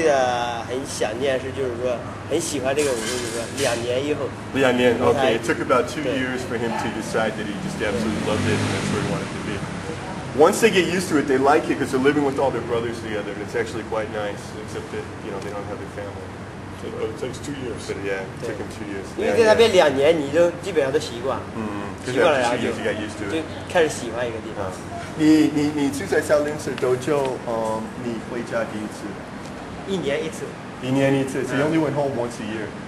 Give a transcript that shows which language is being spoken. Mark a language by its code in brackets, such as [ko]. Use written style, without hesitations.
[zh] 我很喜欢。我是感觉很喜欢的，就是刚开始进去很喜欢。然后呢，那这个时候最喜欢的。然后就是进去了以后，没有几天就不想练了，因为很想家。然后正规的很想念是就是说。很喜欢这个舞，就是说两年以后。两年 [en] ，OK， took about 2 years for him to decide that he just absolutely loved it and that's where he wanted to be. Once they get used to it, they like it because they're living with all their brothers together and it's actually quite nice. Except that you know they don't have their family. But it takes 2 years. But yeah, it took him 2 years. [zh] 因为在那边两年，你就基本上都习惯。嗯，习惯了然后就开始喜欢一个地方。你住在小林市多久？你回家第一次？一年一次。一年一次, [en] so you only went home once a year.